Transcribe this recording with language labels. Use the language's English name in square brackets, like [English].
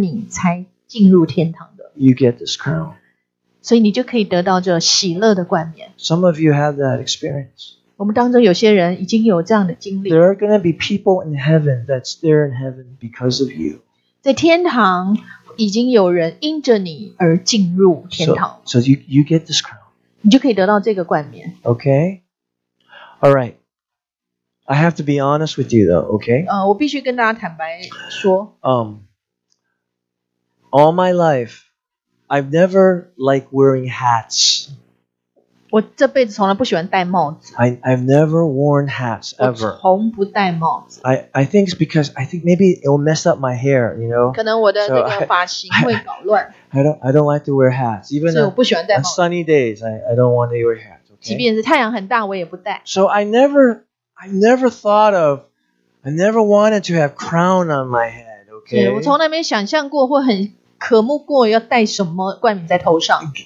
[Chinese] 你会看到天堂有一些人是因着你才进入天堂的. [English] You get this crown. [Chinese] 所以你就可以得到这喜乐的冠冕. [English] Some of you have that experience. [Chinese] 我们当中有些人已经有这样的经历. [English] There are going to be people in heaven that's there in heaven because of you. [Chinese] 在天堂已经有人因着你而进入天堂. [English] So you get this crown. [Chinese] 你就可以得到这个冠冕. [English] Okay. All right. I have to be honest with you though, okay? [Chinese] 我必须跟大家坦白说. [English] All my life, I've never liked wearing hats. [Chinese] 我这辈子从来不喜欢戴帽子. [English] I've never worn hats ever. [Chinese] 我从不戴帽子. [English] I think it's because I think maybe it will mess up my hair, you know. [Chinese] 可能我的这个发型会搞乱. [English] I don't like to wear hats. Even on sunny days, I don't want to wear hats. Okay? [Chinese] 即便是太阳很大，我也不戴. [English] So I never wanted to have crown on my head. Okay. [Chinese] 对，我从来没想象过或很 渴慕过要戴什么冠冕在头上?